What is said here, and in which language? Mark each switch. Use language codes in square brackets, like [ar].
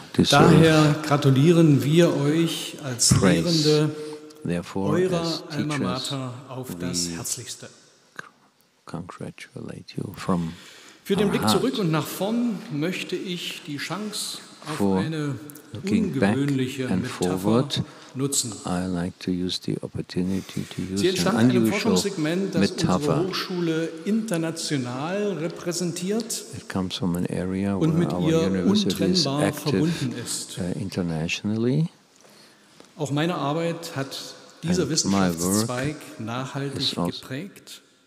[de] Daher gratulieren wir euch als Lehrende eurer Alma Mater auf das Herzlichste. [en] Congratulate you from [de] Für den Blick zurück und nach vorn möchte ich die Chance auf eine ungewöhnliche Metapher nutzen. [en] I like to use the opportunity to use [de] Sie entstand einem Forschungssegment, das unsere Hochschule international repräsentiert und mit ihr untrennbar verbunden ist. [en] Internationally. [de] Auch meine Arbeit hat dieser Wissenschaftszweig nachhaltig geprägt.